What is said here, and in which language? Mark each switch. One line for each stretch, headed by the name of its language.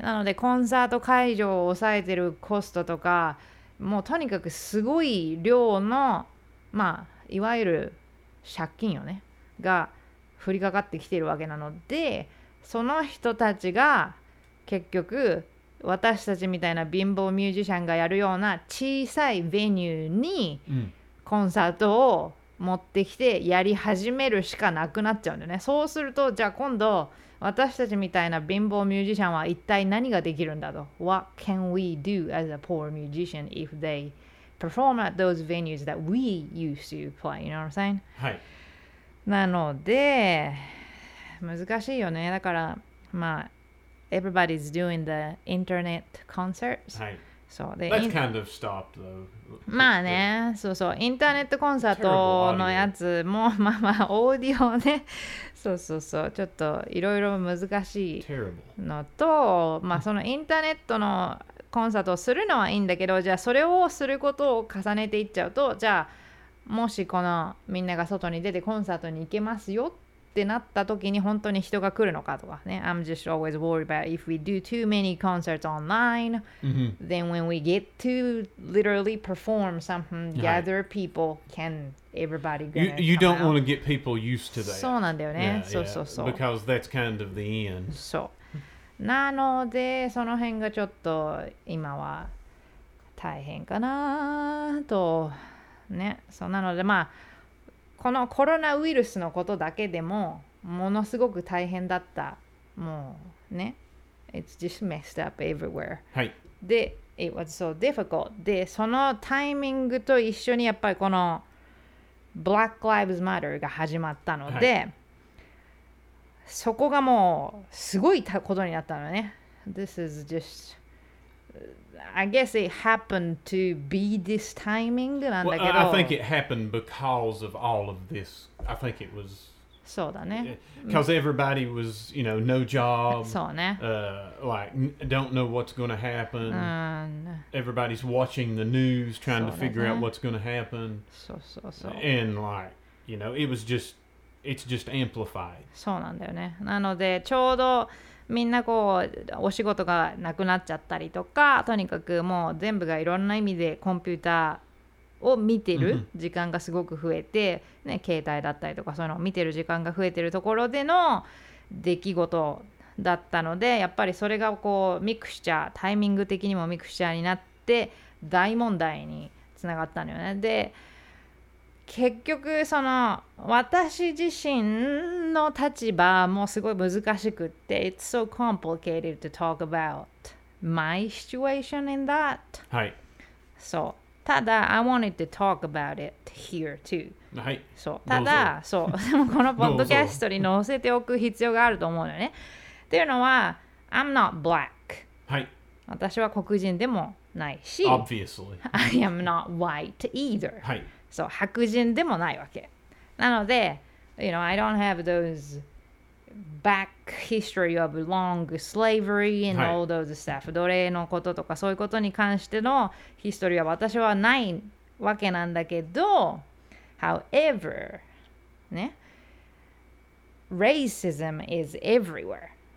Japanese: なのでコンサート会場を抑えてるコストとか、もうとにかくすごい量の、まあ、いわゆる借金よね、が降りかかってきてるわけなので、その人たちが結局私たちみたいな貧乏ミュージシャンがやるような小さいベニューにコンサートを持ってきてやり始めるしかなくなっちゃうんだよね。そうすると、じゃあ今度、私たちみたいな貧乏ミュージシャンは一体何ができるんだと。
English: What can we do as a poor musician if they perform at those venues that we used to play? You know what I'm saying?
Japanese: はい。なので、難しいよね。だから、まあ、
English: everybody's doing the internet concerts.
Japanese: はい。
English: So、 That's kind of stopped though.
Japanese: まあね、そうそう。インターネットコンサートのやつも、まあまあ、オーディオね。そうそうそう、ちょっといろいろ難しいのと、まあそのインターネットのコンサートをするのはいいんだけど、じゃあそれをすることを重ねていっちゃうと、じゃあもしこのみんなが外に出てコンサートに行けますよってなった時に本当に人が来るのかとかね。
English: I'm just always worried about if we do too many concerts online, then when we get to literally perform something, gather people, can everybody go? You don't want to get people used to that.
Japanese: そうなんだよね。そうそうそう。
English: Because that's kind of the end.
Japanese: そう。なので、その辺がちょっと今は大変かなと。ね。そうなので、まあ。このコロナウイルスのことだけでもものすごく大変だった。もうね。
English: It's just messed up everywhere.
Japanese: はい。で、
English: It was so difficult.
Japanese: で、そのタイミングと一緒にやっぱりこの Black Lives Matter が始まったので、はい、そこがもうすごいことになったのね。
English: This is just... I guess it happened to be this timing
Japanese: なんだけど、
English: well, I think it happened because of all of this. I think it was
Japanese: そうだね。
English: Because everybody was, you know, no job.
Japanese: そうね。
English: Like, don't know what's going to happen. Everybody's watching the news, trying to figure out what's going to happen.
Japanese: そうそうそう。
English: And like, you know, it was just, it's just amplified.
Japanese: そうなんだよね。なので、ちょうどみんなこう、お仕事がなくなっちゃったりとか、とにかくもう全部がいろんな意味でコンピューターを見てる時間がすごく増えて、ね、携帯だったりとかそういうのを見てる時間が増えてるところでの出来事だったので、やっぱりそれがこうミクスチャー、タイミング的にもミクスチャーになって大問題につながったのよね。で、結局その私自身の立場もすごい難しくって、
English: It's so complicated to talk about my situation in that.
Japanese: はい。そう。ただ、
English: I wanted to talk about it here too.
Japanese: はい。そう。ただ、そう。でもこのポッドキャストに載せておく必要があると思うのね。っていうのは、
English: I'm not black.
Japanese: はい。私は黒人でもないし、
English: Obviously. I am not white either.
Japanese: はい。そう、白人でもないわけ。
English: なので、You know, I don't have those back history of long slavery and all those stuff、
Japanese: はい、奴隷のこととかそういうことに関してのヒストリーは私はないわけなんだけど、
English: However ね、Racism is everywhere。